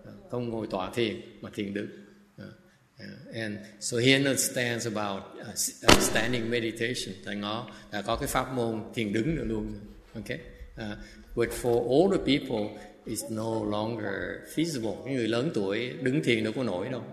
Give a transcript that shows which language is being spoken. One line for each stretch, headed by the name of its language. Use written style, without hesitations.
Vietnamese: Không ngồi tọa thiền mà thiền đứng.
English: And so he understands about standing meditation.
Vietnamese: Thầy ngó đã có cái pháp môn thiền đứng nữa luôn.
English: Okay. But for older people, it's no longer feasible.
Vietnamese: Những người lớn tuổi đứng thiền đâu có nổi đâu.